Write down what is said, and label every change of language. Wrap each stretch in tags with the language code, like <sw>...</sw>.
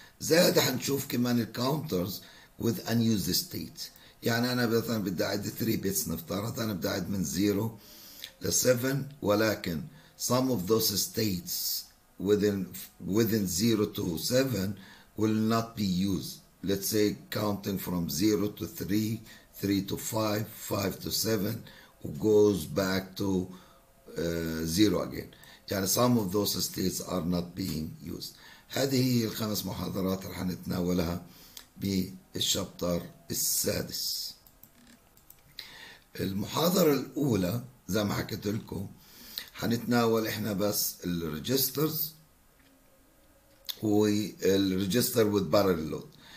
<ar>زاد حنشوف كمان الكاونترز</ar> <en>with unused state،</en> <ar>يعني انا مثلا بدي اعد 3 بيتس نفترض، انا بدي اعد من 0 ل 7 ولكن</ar> <en>some of those states within 0 to 7 will not be used. Let's say counting from 0 to 3, 3 to 5, 5 to 7 goes back to 0 again. يعني some of those states are not being used.</en> <ar>هذه هي ال5 محاضرات اللي حنتناولها بالشابتر السادس. المحاضرة الأولى زي ما حكيت لكم هنتناول احنا بس الريجسترز والريجستر وذ بارل لود.</ar>